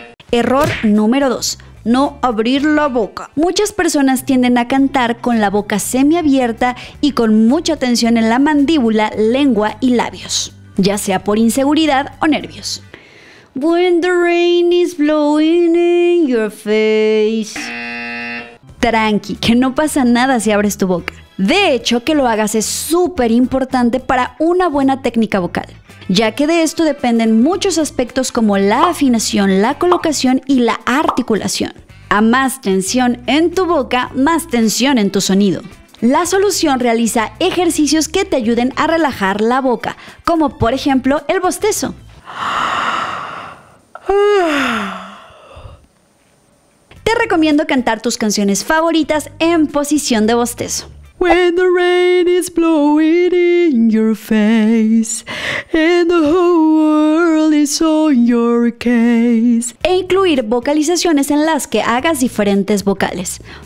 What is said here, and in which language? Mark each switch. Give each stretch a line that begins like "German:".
Spanish: Error número 2. No abrir la boca. Muchas personas tienden a cantar con la boca semiabierta y con mucha tensión en la mandíbula, lengua y labios, ya sea por inseguridad o nervios.
English: When the rain is blowing in your face.
Spanish: Tranqui, que no pasa nada si abres tu boca. De hecho, que lo hagas es súper importante para una buena técnica vocal, ya que de esto dependen muchos aspectos como la afinación, la colocación y la articulación. A más tensión en tu boca, más tensión en tu sonido. La solución realiza ejercicios que te ayuden a relajar la boca, como por ejemplo el bostezo. Te recomiendo cantar tus canciones favoritas en posición de bostezo.
English: When the rain is blowing in your face and the whole world is on your case.
Spanish: E incluir vocalizaciones en las que hagas diferentes vocales.